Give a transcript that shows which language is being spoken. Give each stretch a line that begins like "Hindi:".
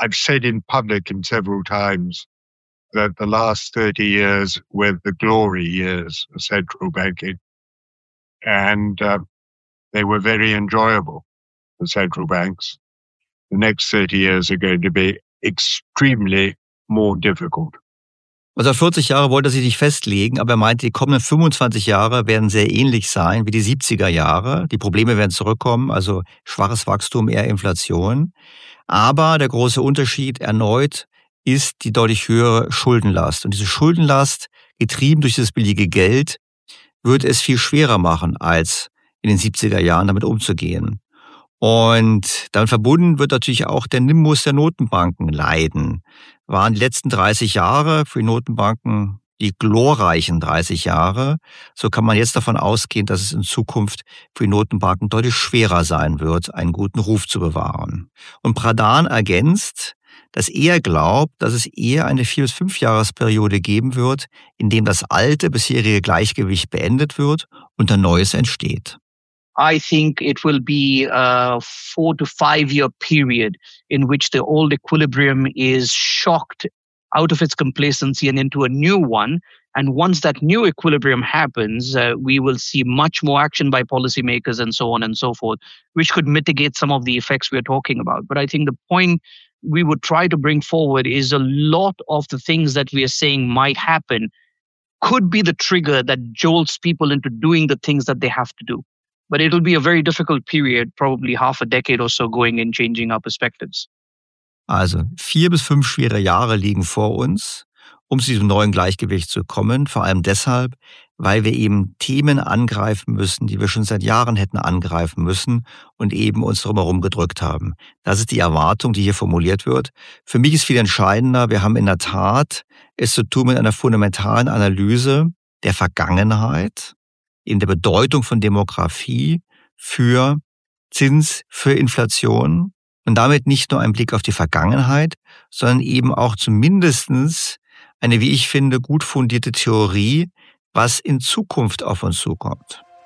English: I've said in public in several times that the last 30 years were the glory years of central banking, and they were very enjoyable for central banks. The next 30 years are going to be extremely more difficult.
German: Also 40 Jahre wollte er sich nicht festlegen, aber er meinte, die kommenden 25 Jahre werden sehr ähnlich sein wie die 70er Jahre. Die Probleme werden zurückkommen, also schwaches Wachstum, eher Inflation. Aber der große Unterschied erneut ist die deutlich höhere Schuldenlast. Und diese Schuldenlast, getrieben durch das billige Geld, wird es viel schwerer machen, als in den 70er Jahren damit umzugehen. Und dann verbunden wird natürlich auch der Nimbus der Notenbanken leiden. Waren die letzten 30 Jahre für die Notenbanken die glorreichen 30 Jahre, so kann man jetzt davon ausgehen, dass es in Zukunft für die Notenbanken deutlich schwerer sein wird, einen guten Ruf zu bewahren. Und Pradhan ergänzt, dass er glaubt, dass es eher eine 4- bis 5-Jahresperiode geben wird, in dem das alte bisherige Gleichgewicht beendet wird und ein neues entsteht.
English: I think it will be a 4- to 5-year period in which the old equilibrium is shocked out of its complacency and into a new one. And once that new equilibrium happens, we will see much more action by policymakers and so on and so forth, which could mitigate some of the effects we are talking about. But I think the point we would try to bring forward is a lot of the things that we are saying might happen could be the trigger that jolts people into doing the things that they have to do. But it'll be a very difficult period, probably half a decade or so, going and changing our perspectives.
German: Also 4 bis 5 schwere Jahre liegen vor uns, um zu diesem neuen Gleichgewicht zu kommen. Vor allem deshalb, weil wir eben Themen angreifen müssen, die wir schon seit Jahren hätten angreifen müssen und eben uns drum herum gedrückt haben. Das ist die Erwartung, die hier formuliert wird. Für mich ist viel entscheidender, wir haben in der Tat es zu tun mit einer fundamentalen Analyse der Vergangenheit, in der Bedeutung von Demografie für Zins, für Inflation und damit nicht nur ein Blick auf die Vergangenheit, sondern eben auch zumindest eine, wie ich finde, gut fundierte Theorie, was in Zukunft auf uns zukommt.